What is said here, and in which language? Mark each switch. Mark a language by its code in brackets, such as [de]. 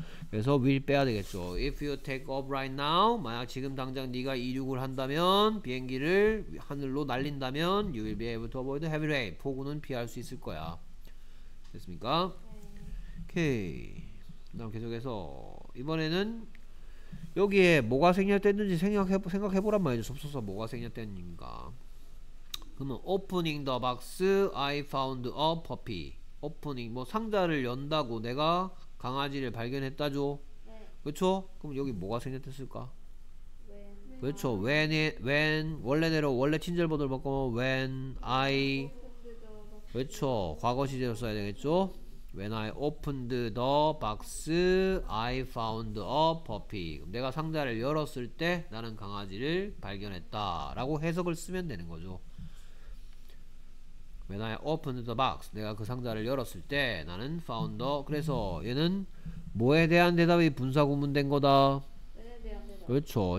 [ko] 그래서 will 빼야 되겠죠. [en] if you take off right now [ko] 만약 지금 당장 네가 이륙을 한다면 비행기를 하늘로 날린다면 [en] you will be able to avoid heavy rain [ko] 폭우는 피할 수 있을 거야. 됐습니까? 오케이 그 다음 계속해서 이번에는 여기에 뭐가 생략됐는지 생각해보란 말이죠. 접속사 뭐가 생략됐는가. 그러면 [en] opening the box I found a puppy. [ko] opening 뭐 상자를 연다고 내가 강아지를 발견했다죠. 네. 그렇죠? 그럼 여기 뭐가 생략됐을까? [en] when [ko] 그렇죠. when 원래대로 원래 친절보도를 바꾸면 when I 그렇죠. 과거시제로 써야 되겠죠. [en] When I opened the box, I found a puppy. [ko] 내가 상자를 열었을 때 나는 강아지를 발견했다 라고 해석을 쓰면 되는 거죠. [en] When I opened the box, [ko] 내가 그 상자를 열었을 때 나는 [en] found a [ko] 그래서 얘는 뭐에 대한 대답이 분사구문 된 거다. 그렇죠.